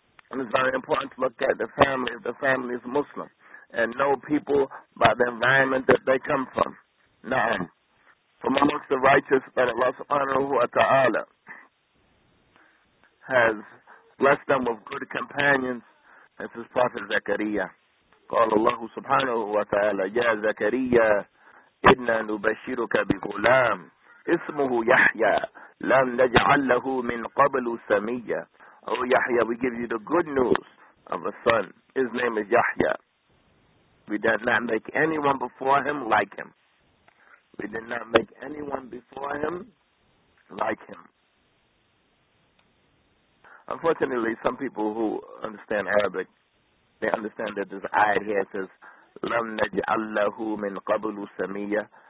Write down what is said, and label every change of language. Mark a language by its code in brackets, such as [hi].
[en] And it's very important to look at the family, if the family is Muslim, and know people by the environment that they come from. Na'am. From amongst the righteous, that Allah subhanahu wa ta'ala has blessed them with good companions, as his prophet Zakariya. [ar] قال الله سبحانه وتعالى يا زكريا إنا نبشرك بغلام اسمه يحيى لم نجعل له من قبل سميا. [en] Oh Yahya, we give you the good news of a son. His name is Yahya. We did not make anyone before him like him. We did not make anyone before him like him. Unfortunately, some people who understand Arabic, they understand that this ayat here says, [ar] "Lam naj'allahu min qablu samiyya."